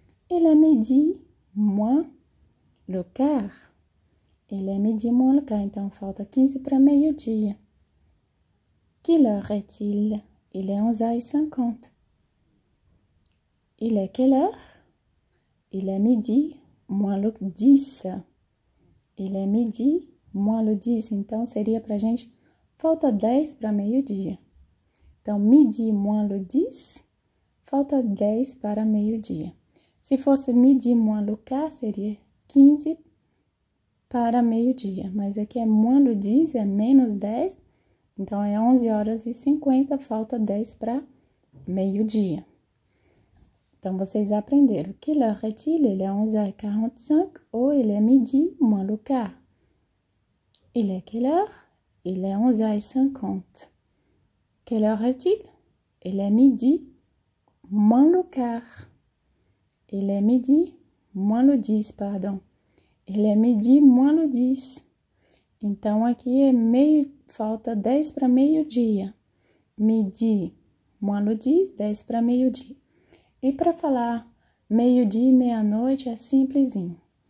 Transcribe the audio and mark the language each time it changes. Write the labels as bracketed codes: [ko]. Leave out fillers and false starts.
[fr] Il est midi moins le quart. Il est midi moins le quart. [pt] Então, falta 15 para meio-dia. [fr] Quelle heure est-il? Il est 11h50. Il est quelle heure? Il est midi moins le 10. Il est midi moins le 10. [pt] Então, seria para a gente, falta 10 para meio-dia. Então, [fr] midi moins le 10, [pt] falta 10 para meio-dia. Se fosse [fr] midi moins le quart, [pt] seria 15 para meio-dia. Mas aqui é [fr] moins le 10, [pt] é menos 10. Então, é 11 horas e 50, falta 10 para meio-dia. Então, vocês aprenderam. [fr] Quelle heure est-il? Il est 11h45 ou il est midi moins le quart. Il est quelle heure? Il est 11h50. Quelle heure est-il? Il est midi moins le quart. Il est midi moins le 10, pardon. Il est midi moins le 10. [pt] Então, aqui é falta 10 para meio-dia. [fr] Midi moins le 10, [pt] 10 para meio-dia. E para falar meio-dia e meia-noite é simplesinho.